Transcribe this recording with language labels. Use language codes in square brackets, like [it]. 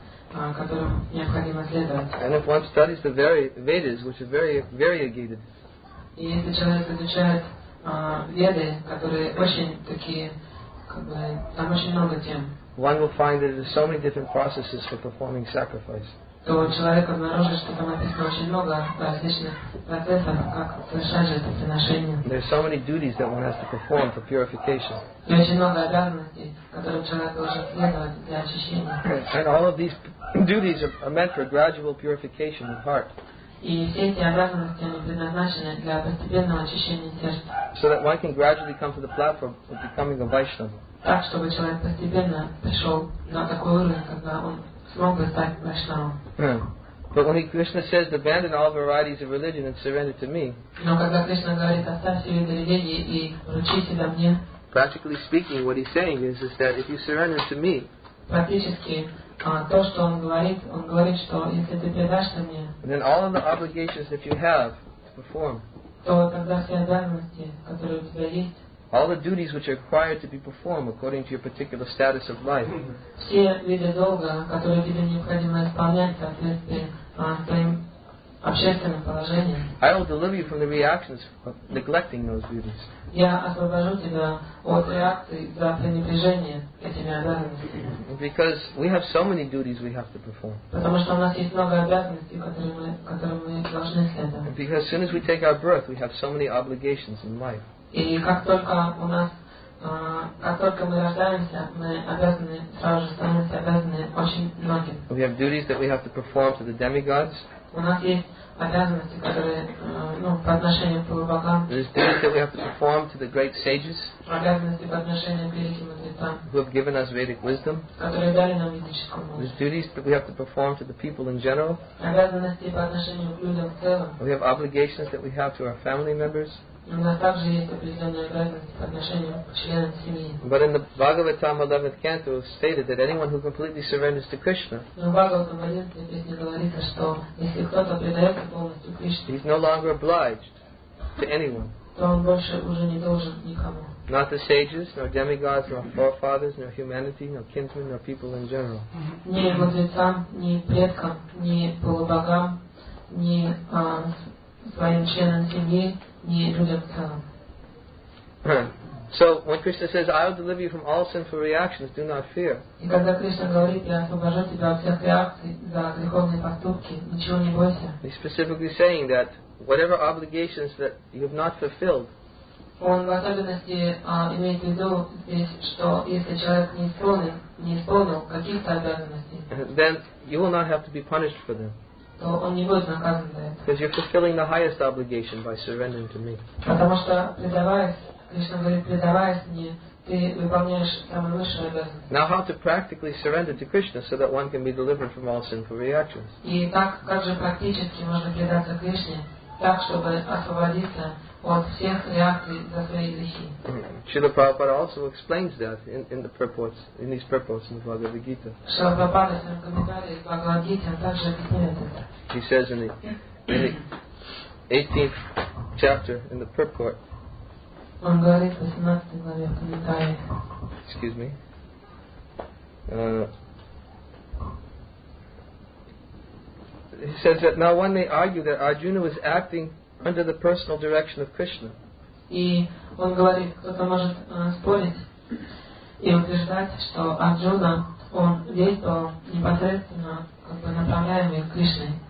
[ru] Которым необходимо следовать. [en] And if one studies the Vedas, which are variegated, [ru] И если человек изучает веды, которые очень такие, как бы, там очень много тем, [en] one will find that there's so many different processes for performing sacrifice. [ru] То человек обнаружит, что там написано очень много различных процессов, как совершать жертвоприношение. [en] There's so many duties that one has to perform for purification. [ru] И очень много обязанностей, которые человек должен следовать для очищения. [en] And all of these duties are meant for gradual purification of heart. [ru] И все эти обязанности, они предназначены для постепенного очищения сердца. [en] So that one can gradually come to the platform of becoming a Vaishnava. [ru] Так, чтобы человек постепенно пришел на такой уровень, когда он смог бы стать Вайшнавом. [en] But when Krishna says, abandon all varieties of religion and surrender to me, [ru] но когда Кришна говорит, оставь все виды религии и вручи себя мне, [en] practically speaking, what he's saying is that if you surrender to me, [ru] практически, то, что он говорит, что если ты предашься мне, [en] then all of the obligations that you have to perform, [ru] то тогда все обязанности, которые у тебя есть, [en] all the duties which are required to be performed according to your particular status of life, [ru] все виды долга, которые тебе необходимо исполнять в соответствии с твоим общественным положением, [en] I will deliver you from the reactions of neglecting those duties. [ru] Я освобожу тебя от реакции за пренебрежение этими обязанностями. [en] Because we have so many duties we have to perform. [ru] Потому что у нас есть много обязанностей, которые мы должны следовать. [en] Because as soon as we take our birth, we have so many obligations in life. [ru] И как только у нас, как только мы рождаемся, мы обязаны, сразу же становимся обязаны очень многим. [en] We have duties that we have to perform to the demigods. [ru] У нас есть обязанности, которые, ну, по отношению к полубогам. [en] There's duties that we have to perform to the great sages. [ru] Обязанности по отношению к великим мудрецам. [en] Who have given us Vedic wisdom. [ru] Которые дали нам ведическую мудрость. [en] There's duties that we have to perform to the people in general. [ru] Обязанности по отношению к людям в целом. [en] We have obligations that we have to our family members. [ru] У нас также есть определенные обязанности по отношению к членам семьи. [en] But in the Bhagavatam 11th canto it's stated that anyone who completely surrenders to Krishna, [ru] но в Бхагаватам 11 песне говорится, что если кто-то предается полностью Кришне, [en] he's no longer obliged to anyone. [ru] То он больше уже не должен никому. [en] Not the sages, nor demigods, nor forefathers, nor humanity, nor kinsmen, nor people in general. [ru] Ни мудрецам, ни предкам, ни полубогам, ни своим членам семьи, ни людям. [en] So when Krishna says, I will deliver you from all sinful reactions, do not fear. [ru] И когда Кришна говорит, я освобожу тебя от всех реакций за греховные поступки, ничего не бойся. [en] He's specifically saying that whatever obligations that you have not fulfilled, [ru] он в особенности имеет в виду здесь, что если человек не исполнил каких-то обязанностей, [en] then you will not have to be punished for them. Because you're fulfilling the highest obligation by surrendering to me. [ru] Потому что предаваясь, Кришна говорит, предаваясь мне, ты выполняешь самую высшую обязанность. [en] Now how to practically surrender to Krishna so that one can be delivered from all sinful reactions? [ru] И так как же практически можно предаться Кришне, так чтобы освободиться от всех реакций за свои грехи? [en] Srila Prabhupada also explains that in the purports, in these purports in the Bhagavad Gita. He says in the 18th chapter in the purport. Excuse me. He says that now when they argue that Arjuna was acting under the personal direction of Krishna. [ru] И он говорит, кто-то может спорить и утверждать, что Арджуна, он действовал непосредственно, как бы направляемый Кришной.